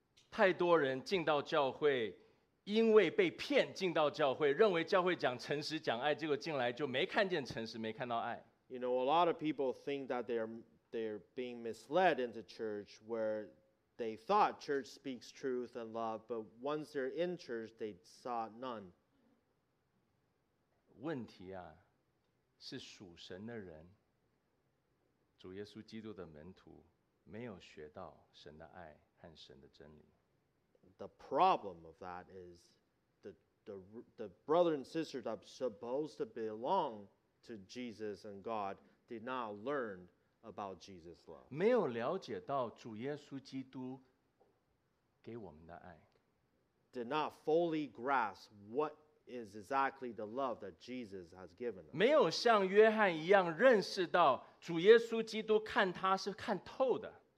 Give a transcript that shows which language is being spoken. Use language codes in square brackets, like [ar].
[zh] 太多人进到教会, 因为被骗进到教会, 认为教会讲诚实, 讲爱, 结果进来, 就没看见诚实, 没看到爱。 [en] You know, a lot of people think that they're being misled into church where they thought church speaks truth and love, but once they're in church, they saw none. [zh] 问题啊, 是属神的人, 主耶稣基督的门徒, 没有学到神的爱和神的真理。 [en] The problem of that is the brother and sister that are supposed to belong to Jesus and God did not learn about Jesus' love. [zh] 没有了解到主耶稣基督给我们的爱。 [en] Did not fully grasp what is exactly the love that Jesus has given us. [zh] 没有像约翰一样认识到主耶稣基督看他是看透的。